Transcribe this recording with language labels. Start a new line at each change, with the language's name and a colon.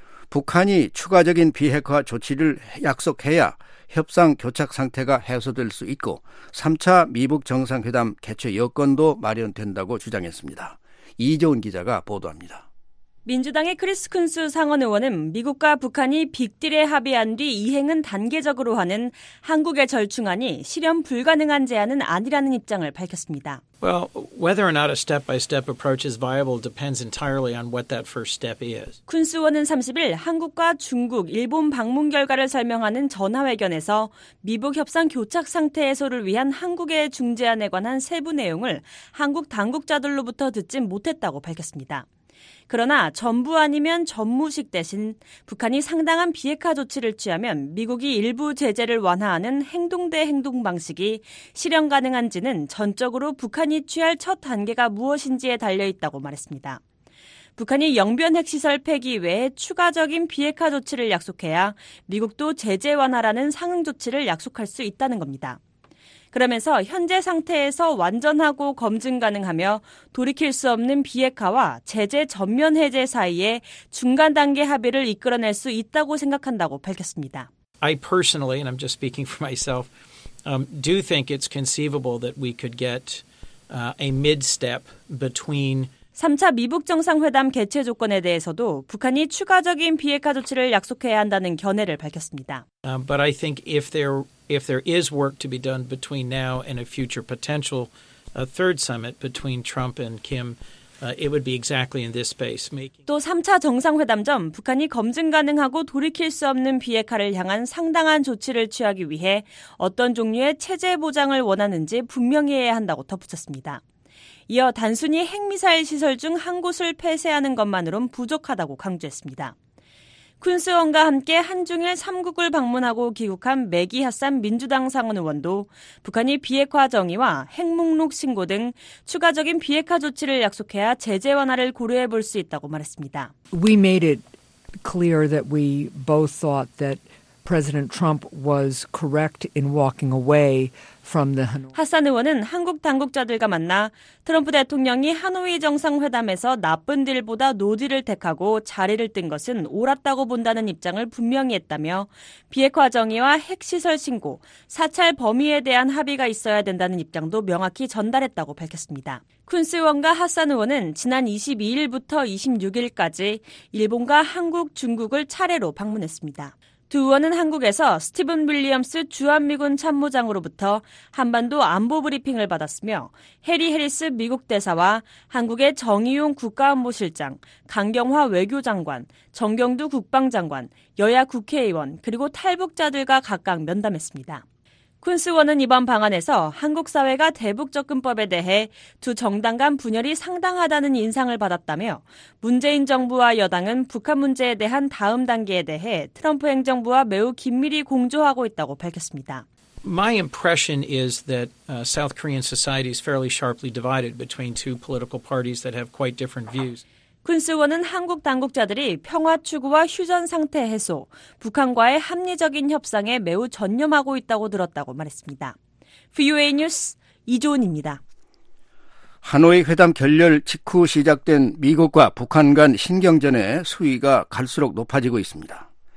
Korean: 북한이 추가적인 비핵화 조치를 약속해야 협상 교착 상태가 해소될 수 있고 3차 미북 정상회담 개최 여건도 마련된다고 주장했습니다. 이재훈 기자가 보도합니다. 민주당의 크리스 쿤스 상원의원은 미국과 북한이 빅딜에 합의한 뒤 이행은 단계적으로 하는 한국의 절충안이 실현 불가능한 제안은 아니라는 입장을 밝혔습니다.
English: Well, whether or not a step-by-step approach is viable depends entirely on what that first step is.
Korean: 쿤스 의원은 30일 한국과 중국, 일본 방문 결과를 설명하는 전화회견에서 미북 협상 교착 상태 해소를 위한 한국의 중재안에 관한 세부 내용을 한국 당국자들로부터 듣진 못했다고 밝혔습니다. 그러나 전부 아니면 전무식 대신 북한이 상당한 비핵화 조치를 취하면 미국이 일부 제재를 완화하는 행동 대 행동 방식이 실현 가능한지는 전적으로 북한이 취할 첫 단계가 무엇인지에 달려있다고 말했습니다. 북한이 영변핵 시설 폐기 외에 추가적인 비핵화 조치를 약속해야 미국도 제재 완화라는 상응 조치를 약속할 수 있다는 겁니다. 그러면서 현재 상태에서 완전하고 검증 가능하며 돌이킬 수 없는 비핵화와 제재 전면 해제 사이에 중간 단계 합의를 이끌어낼 수 있다고 생각한다고 밝혔습니다.
English: I personally, and I'm just speaking for myself, do think it's conceivable that we could get a mid-step between
Korean: 3차 미북 정상회담 개최 조건에 대해서도 북한이 추가적인 비핵화 조치를 약속해야 한다는 견해를 밝혔습니다.
English: But I think if there is work to be done between now and a future potential a third summit between Trump and Kim, it would be exactly in this space.
Korean: 또 3차 정상회담 전 북한이 검증 가능하고 돌이킬 수 없는 비핵화를 향한 상당한 조치를 취하기 위해 어떤 종류의 체제 보장을 원하는지 분명히 해야 한다고 덧붙였습니다. 이어 단순히 핵미사일 시설 중 한 곳을 폐쇄하는 것만으로는 부족하다고 강조했습니다. 쿤스 의원과 함께 한중일 3국을 방문하고 귀국한 매기 핫산 민주당 상원 의원도 북한이 비핵화 정의와 핵 목록 신고 등 추가적인 비핵화 조치를 약속해야 제재 완화를 고려해 볼 수 있다고 말했습니다.
English: We made it clear that we both thought that President Trump was correct in walking away from the Hanoi.
Korean: 하산 의원은 한국 당국자들과 만나 트럼프 대통령이 하노이 정상회담에서 나쁜 딜보다 노딜을 택하고 자리를 뜬 것은 옳았다고 본다는 입장을 분명히 했다며 비핵화 정의와 핵시설 신고, 사찰 범위에 대한 합의가 있어야 된다는 입장도 명확히 전달했다고 밝혔습니다. 쿤스 의원과 하산 의원은 지난 22일부터 26일까지 일본과 한국, 중국을 차례로 방문했습니다. 두 의원은 한국에서 스티븐 윌리엄스 주한미군 참모장으로부터 한반도 안보 브리핑을 받았으며 해리 해리스 미국 대사와 한국의 정의용 국가안보실장, 강경화 외교장관, 정경두 국방장관, 여야 국회의원 그리고 탈북자들과 각각 면담했습니다. 쿤스 의원은 이번 방안에서 한국 사회가 대북 접근법에 대해 두 정당 간 분열이 상당하다는 인상을 받았다며 문재인 정부와 여당은 북한 문제에 대한 다음 단계에 대해 트럼프 행정부와 매우 긴밀히 공조하고 있다고 밝혔습니다.
English: My impression is that South Korean society is fairly sharply divided between two political parties that have quite different views.
Korean: 쿤스 의원은 한국 당국자들이 평화 추구와 휴전 상태 해소, 북한과의 합리적인 협상에 매우 전념하고 있다고 들었다고 말했습니다. VOA 뉴스 이조은입니다. 하노이 회담 결렬 직후 시작된 미국과 북한 간 신경전의 수위가 갈수록 높아지고 있습니다.